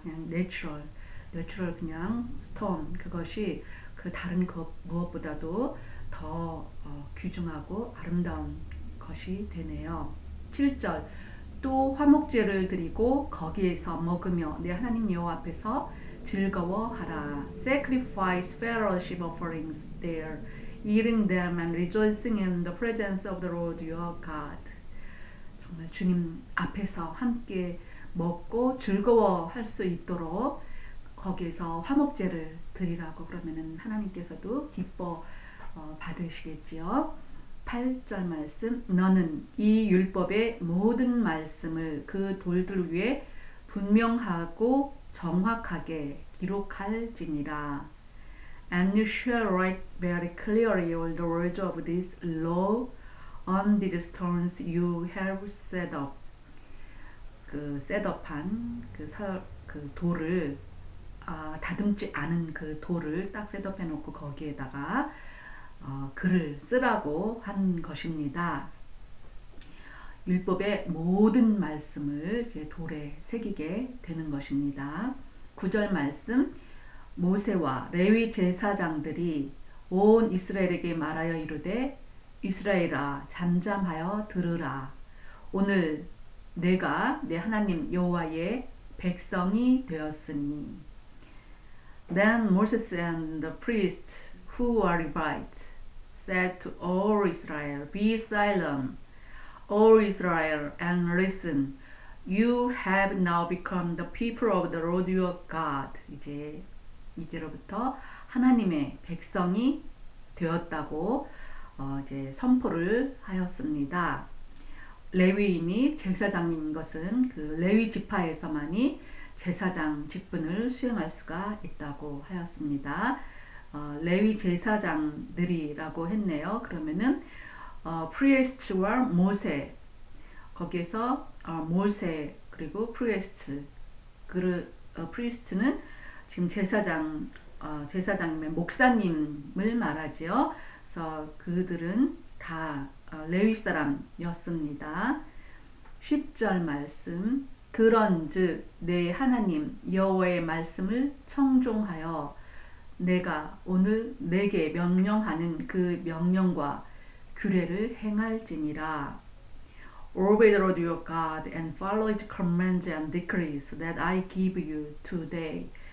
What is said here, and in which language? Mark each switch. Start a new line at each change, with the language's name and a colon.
Korean: 그냥 내추럴 그냥 스톤 그것이 그 다른 것 무엇보다도 더 귀중하고 아름다운 것이 되네요. 7절 또 화목제를 드리고 거기에서 먹으며 내 하나님 여호와 앞에서 즐거워하라.
English: Sacrifice fellowship offerings there, eating them and rejoicing in the presence of the Lord your God.
Korean: 정말 주님 앞에서 함께 먹고 즐거워할 수 있도록 거기에서 화목제를 드리라고 그러면은 하나님께서도 기뻐 받으시겠지요. 8절 말씀 너는 이 율법의 모든 말씀을 그 돌들 위에 분명하고 정확하게 기록할지니라.
English: And you shall write very clearly all the words of this law on these stones you have set up.
Korean: 그 셋업한 그 돌을 다듬지 않은 그 돌을 딱 셋업해 놓고 거기에다가 글을 쓰라고 한 것입니다. 율법의 모든 말씀을 이제 돌에 새기게 되는 것입니다. 9절 말씀 모세와 레위 제사장들이 온 이스라엘에게 말하여 이르되 이스라엘아 잠잠하여 들으라. 오늘 내가 내 하나님 여호와의 백성이 되었으니
English: Then Moses and the priests who are Levites said to all Israel, Be silent, all Israel, and listen. You have now become the people of the Lord your God.
Korean: 이제로부터 하나님의 백성이 되었다고 이제 선포를 하였습니다. 레위인이 제사장인 것은 그 레위 지파에서만이 제사장 직분을 수행할 수가 있다고 하였습니다. 레위 제사장들이라고 했네요. 그러면은 priests와 모세 거기에서 모세 그리고 priest는 지금 제사장 제사장님의 목사님을 말하지요. 그래서 그들은 다 레위 사람이었습니다. 10절 말씀. 그런즉 내 하나님 여호와의 말씀을 청종하여 내가 오늘 내게 명령하는 그 명령과 규례를 행할지니라.
English: Obey the Lord your God and follow His commands and decrees that I give you today.